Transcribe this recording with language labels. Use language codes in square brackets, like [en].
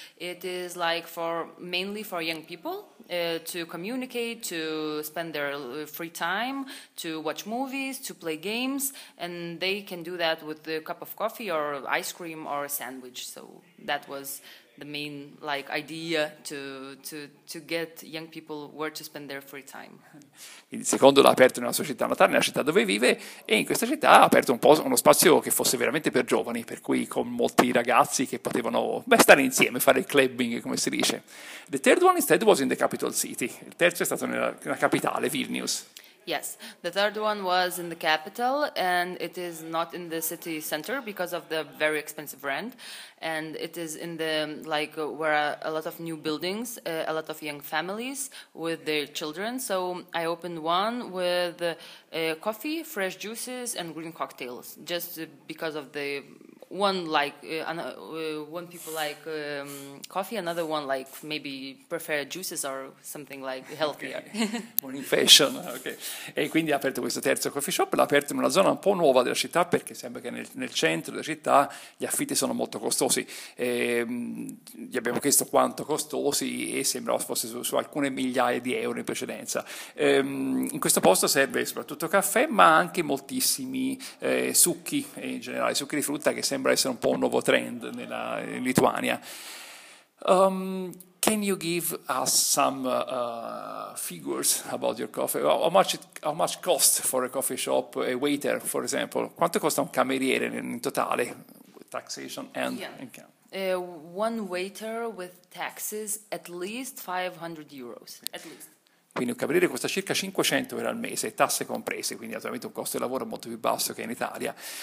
[en] It is like mainly for young people to communicate, to spend their free time, to watch movies, to play games, and they can do that with a cup of coffee or ice cream or a sandwich. So that was the main idea to get young people where to spend their free time. [it] Il secondo l'ha aperto nella sua città natale, nella città dove vive, e in questa città ha aperto uno spazio che fosse veramente per giovani, per cui con molti ragazzi che potevano stare insieme, fare il clubbing, come si dice. [en] The third one instead was in the capital city. [it] Il terzo è stato nella capitale, Vilnius. [en] Yes, the third one was in the capital, and it is not in the city center because of the very expensive rent, and it is in the where a lot of new buildings, a lot of young families with their children. So I opened one with coffee, fresh juices, and green cocktails, just because of the one like one people like coffee, another one like maybe prefer juices or something like healthier. Okay. Morning fashion, ok. [it] E quindi ha aperto questo terzo coffee shop, l'ha aperto in una zona un po' nuova della città, perché sembra che nel centro della città gli affitti sono molto costosi. E, gli abbiamo chiesto quanto costosi e sembrava fosse su alcune migliaia di euro in precedenza. E, in questo posto serve soprattutto caffè, ma anche moltissimi succhi, e in generale succhi di frutta, che sembra essere un po' un nuovo trend in Lituania. [en] Can you give us some figures about your coffee? How much cost for a coffee shop, a waiter, for example? [it] Quanto costa un cameriere in totale, [en] with taxation and income? One waiter with taxes, at least 500 euros, at least. [it] Quindi un cameriere costa circa 500 euro al mese, tasse comprese, quindi naturalmente un costo di lavoro molto più basso che in Italia.